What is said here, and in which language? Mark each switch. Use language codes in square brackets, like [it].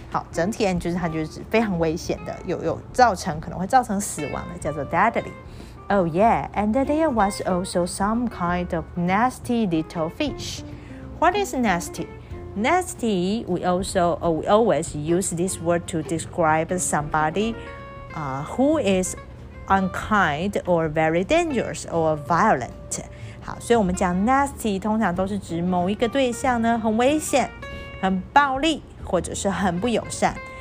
[zh] 好，整体就是它就是非常危险的，有造成可能会造成死亡的，叫做 deadly. [en] Oh yeah, and there was also some kind of nasty little fish. What is nasty? Nasty, we always use this word to describe somebody who is unkind or very dangerous or violent. [zh] 好，所以我们讲 nasty 通常都是指某一个对象呢很危险、很暴力或者是很不友善。